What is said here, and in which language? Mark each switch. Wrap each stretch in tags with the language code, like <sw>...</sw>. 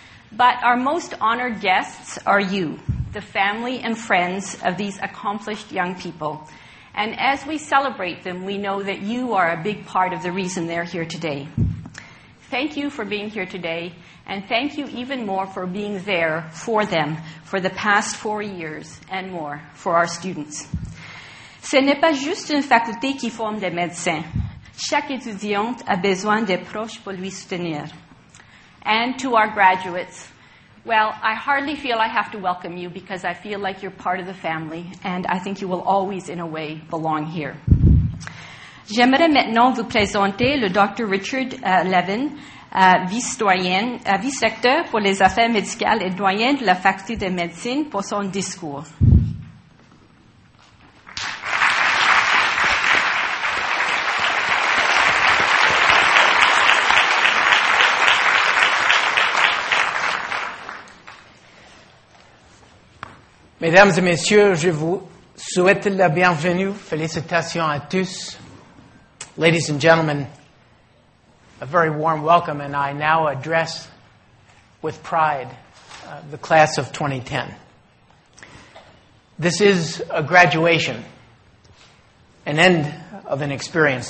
<en>But our most honored guests are you, the family and friends of these accomplished young people. And as we celebrate them, we know that you are a big part of the reason they're here today. Thank you for being here today, and thank you even more for being there for them for the past 4 years and more for our students.</en> <fr>Ce n'est pas juste une faculté qui forme des médecins. Chaque étudiante a besoin de proches pour lui soutenir.</fr> <en>And to our graduates, well, I hardly feel I have to welcome you because I feel like you're part of the family, and I think you will always, in a way, belong here.</en> <fr>J'aimerais maintenant vous présenter le Dr. Richard Levin, vice-recteur pour les affaires médicales et doyen de la Faculté de médecine pour son discours. Mesdames et messieurs, je vous souhaite la bienvenue. Félicitations à tous.</fr> <en>Ladies and gentlemen, a very warm welcome, and I now address with pride the class of 2010. This is a graduation, an end of an experience.</en>